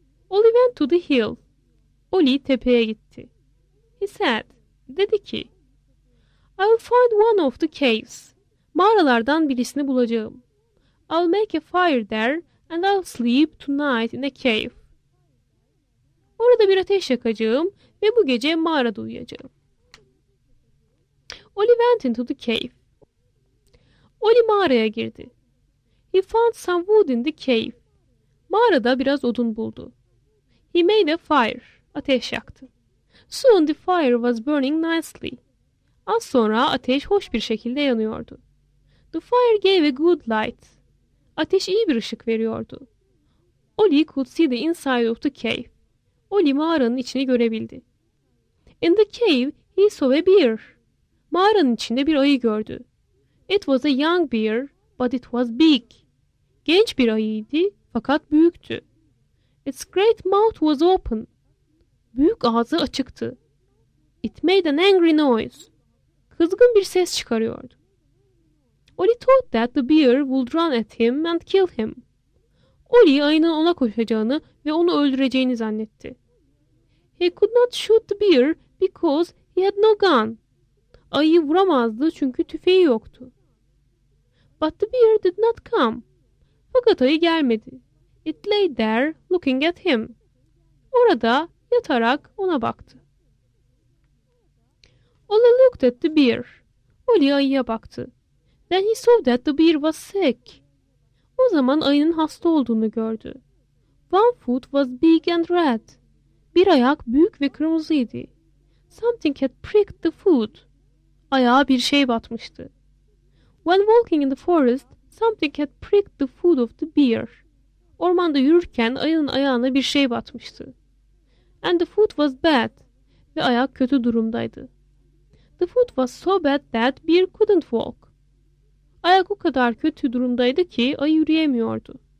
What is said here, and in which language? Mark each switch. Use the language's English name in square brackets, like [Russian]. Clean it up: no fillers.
[English] Ollie went to the hill. [Turkish] Ollie tepeye gitti. [English] He said, [Turkish] dedi ki, [English] I'll find one of the caves. [Turkish] Mağaralardan birisini bulacağım. [English] I'll make a fire there and I'll sleep tonight in a cave. [Turkish] Orada bir ateş yakacağım ve bu gece mağarada uyuyacağım. [English] Ollie went into the cave. [Turkish] Ollie mağaraya girdi. [English] He found some wood in the cave. [Turkish] Mağarada biraz odun buldu. [English] He made a fire. [Turkish] Ateş yaktı. [English] Soon the fire was burning nicely. [Turkish] Az sonra ateş hoş bir şekilde yanıyordu. [English] The fire gave a good light. [Turkish] Ateş iyi bir ışık veriyordu. [English] Ollie could see the inside of the cave. [Turkish] Ollie mağaranın içini görebildi. [English] In the cave he saw a bear. [Turkish] Mağaranın içinde bir ayı gördü. [English] It was a young bear, but it was big. [Turkish] Genç bir ayıydı fakat büyüktü. [English] Its great mouth was open. [Turkish] Büyük ağzı açıktı. [English] It made an angry noise. [Turkish] Kızgın bir ses çıkarıyordu. [English] Ollie thought that the bear would run at him and kill him. [Turkish] Ollie ayının ona koşacağını ve onu öldüreceğini zannetti. [English] He could not shoot the bear because he had no gun. [Turkish] Ayıyı vuramazdı çünkü tüfeği yoktu. [English] But the bear did not come. [Turkish] Fakat ayı gelmedi. [English] It lay there looking at him. [Turkish] Orada yatarak ona baktı. [English] looked at the bear. [Turkish] Oli ayıya baktı. [English] Then he saw that the bear was sick. [Turkish] O zaman ayının hasta olduğunu gördü. [English] One foot was big and red. [Turkish] Bir ayak büyük ve kırmızıydı. [English] Something had pricked the foot. [Turkish] Ayağa bir şey batmıştı. [English] When walking in the forest, something had pricked the foot of the bear. [Turkish] Ormanda yürürken ayının ayağına bir şey batmıştı. [English] And the foot was bad. [Turkish] Ve ayak kötü durumdaydı. [English] The foot was so bad that bear couldn't walk. [Turkish] Ayak o kadar kötü durumdaydı ki ayı yürüyemiyordu.